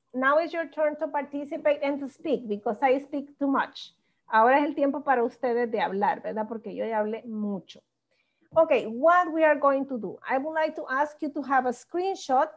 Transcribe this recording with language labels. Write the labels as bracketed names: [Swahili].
[English] Now is your turn to participate and to speak because I speak too much. [Spanish] Ahora es el tiempo para ustedes de hablar, ¿verdad? Porque yo ya hablé mucho. [English] Okay, what we are going to do? I would like to ask you to have a screenshot.